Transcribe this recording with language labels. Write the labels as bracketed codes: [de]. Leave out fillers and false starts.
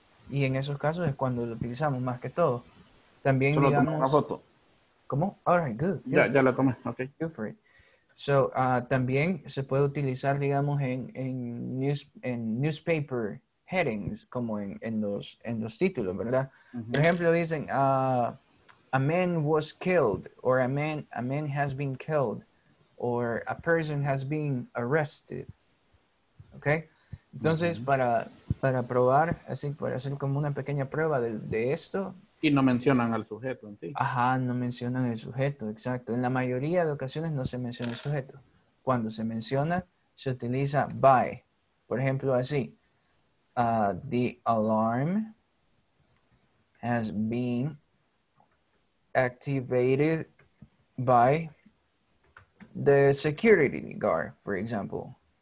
[es] Y en esos casos es cuando lo utilizamos más que todo. También solo digamos... una foto. [en] ¿Cómo? All right, good. [es] Ya, ya la tomé. Okay. [en] Good for it. [es] So, también se puede utilizar, digamos, en [en] newspaper headings, [es] como en los títulos, ¿verdad? Mm-hmm. Por ejemplo, dicen, [en] a man was killed, or a man has been killed, or a person has been arrested. [es] Okay? Entonces, mm-hmm. para probar, así, para hacer como una pequeña prueba de esto. Y no mencionan al sujeto en sí. Ajá, no mencionan el sujeto, exacto. En la mayoría de ocasiones no se menciona el sujeto. Cuando se menciona, se utiliza by. Por ejemplo, así. [en] The alarm has been activated by the security guard, for example.